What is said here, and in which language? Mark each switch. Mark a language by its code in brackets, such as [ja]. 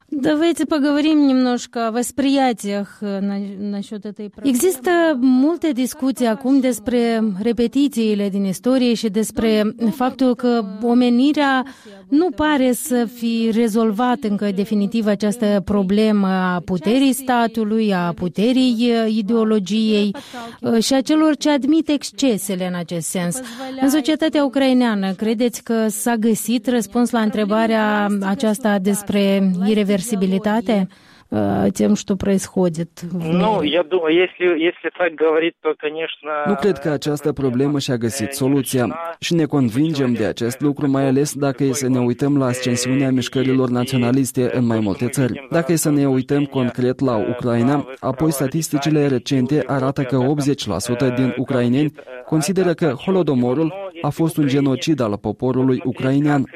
[ru] Давайте поговорим немножко о восприятиях насчет этой проблемы. [ro] Există multe discuții acum despre repetițiile din istorie și despre faptul că omenirea nu pare să fi rezolvat încă definitiv această problemă a puterii statului, a puterii ideologiei și a celor ce admit excesele în acest sens. În societatea ucraineană, credeți că s-a găsit răspuns la întrebarea aceasta despre irreversibilitate? [ru] Тем, что происходит. Ну, я думаю, если так говорить, то, конечно... [ro] Nu cred că această problemă și-a găsit soluția. Și ne convingem de acest lucru, mai ales dacă e să ne uităm la ascensiunea mișcărilor naționaliste în mai multe țări. Dacă e să ne uităm concret la Ucraina, apoi statisticile recente arată că 80% din ucraineni consideră că Holodomorul a fost un genocid al poporului ucrainean.